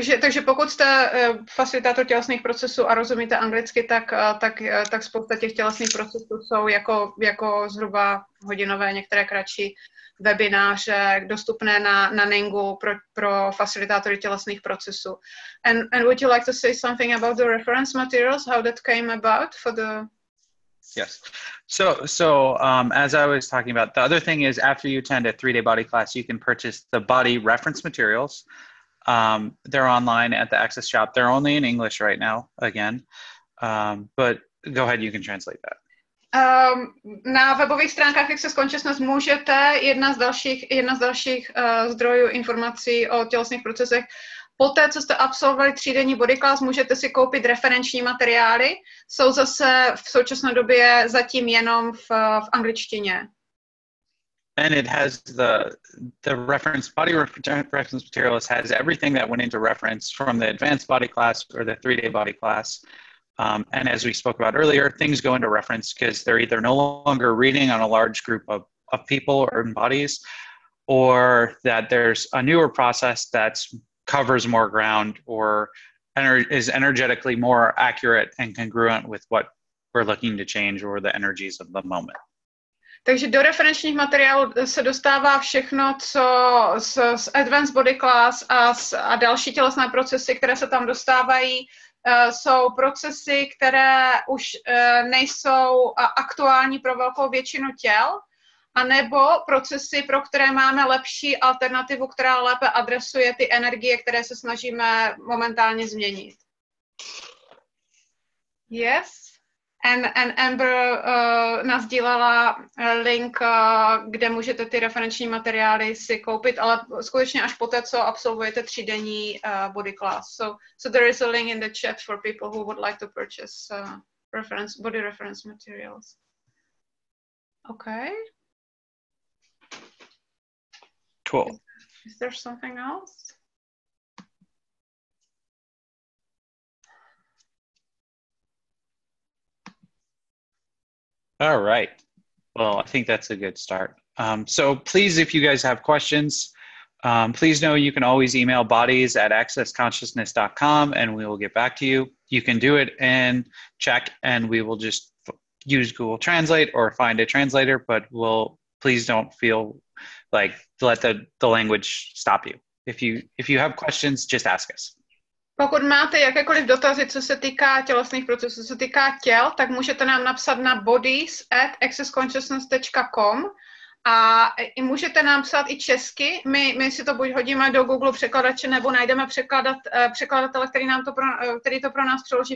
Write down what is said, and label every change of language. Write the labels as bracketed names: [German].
[Czech] Takže pokud jste facilitátor tělesných procesů a rozumíte anglicky, tak spousta těch tělesných procesů jsou jako zhruba hodinové, některé kratší webináře dostupné na Ningu pro facilitátory tělesných procesů. [English] And would you like to say something about the reference materials, how that came about for the... Yes. So as I was talking about, the other thing is after you attend a 3-day body class, you can purchase the body reference materials. They're online at the Access Shop. They're only in English right now, again. But go ahead, you can translate that. [Czech] Na webových stránkách Access Consciousness můžete jedna z dalších zdrojů informací o tělesných procesech. Poté, co jste absolvovali 3-denní body class, můžete si koupit referenční materiály. Jsou zase v současné době zatím jenom v angličtině. [English] And it has the reference body reference materials has everything that went into reference from the advanced body class or the 3-day body class. And as we spoke about earlier, things go into reference because they're either no longer reading on a large group of people or in bodies, or that there's a newer process that covers more ground or is energetically more accurate and congruent with what we're looking to change or the energies of the moment. [Czech] Takže do referenčních materiálů se dostává všechno, co z Advanced Body Class a další tělesné procesy, které se tam dostávají, jsou procesy, které už nejsou aktuální pro velkou většinu těl, anebo procesy, pro které máme lepší alternativu, která lépe adresuje ty energie, které se snažíme momentálně změnit. Yes? And Amber nasdílela link, kde můžete ty referenční materiály si koupit, ale skutečně až poté, co absolvujete 3-denní body class. [English] So there is a link in the chat for people who would like to purchase body reference materials. Okay. Cool. Is there something else? All right. Well, I think that's a good start. So please, if you guys have questions, please know you can always email bodies@accessconsciousness.com and we will get back to you. You can do it in Czech and we will just use Google Translate or find a translator, but we'll please don't feel like let the language stop you. If you have questions, just ask us. [Czech] Pokud máte jakékoliv dotazy, co se týká tělesných procesů, co se týká těl, tak můžete nám napsat na bodies@accessconsciousness.com a i můžete nám psát i česky. My si to buď hodíme do Google překladače, nebo najdeme překladatele, který to pro nás přeloží.